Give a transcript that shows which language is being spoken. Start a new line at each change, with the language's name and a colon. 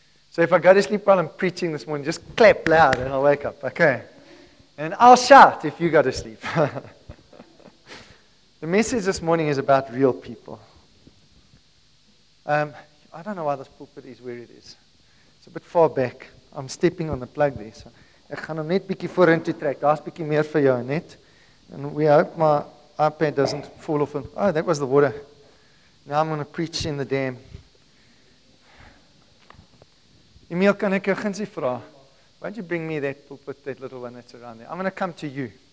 English: So if I go to sleep while I'm preaching this morning, just clap loud and I'll wake up. Okay. And I'll shout if you go to sleep. The message this morning is about real people. I don't know why this pulpit is where it is. It's a bit far back. I'm stepping on the plug there.
Afrikaans: So ek gaan hom net bietjie vorentoe trek. Daar's bietjie meer vir jou net.
English: And we hope my iPad doesn't fall off. Oh, that was the water. Now I'm going to preach in the dam. Emil,
Afrikaans: kan ek jou gunsie vra?
English: Why don't you bring me that pulpit, that little one that's around there? I'm going to come to you.